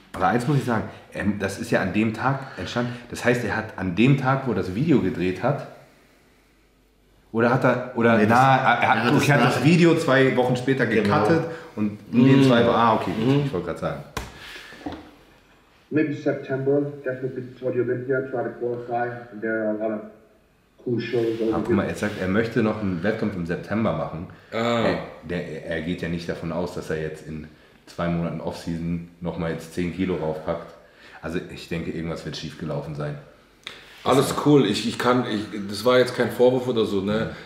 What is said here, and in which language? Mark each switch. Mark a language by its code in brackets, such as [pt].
[de] Aber eins muss ich sagen, das ist ja an dem Tag entstanden. Das heißt, er hat an dem Tag, wo er das Video gedreht hat, er hat das Video 2 Wochen später gecuttet und ich wollte gerade sagen. [en] Maybe September, definitely for the Olympia, try to qualify. There are a lot of [de] Guck mal, er sagt, er möchte noch einen Wettkampf im September machen. Er geht ja nicht davon aus, dass er jetzt in 2 Monaten Offseason nochmal jetzt 10 Kilo raufpackt. Also ich denke, irgendwas wird schief gelaufen sein. Alles cool. Das war jetzt kein Vorwurf oder so. Ne?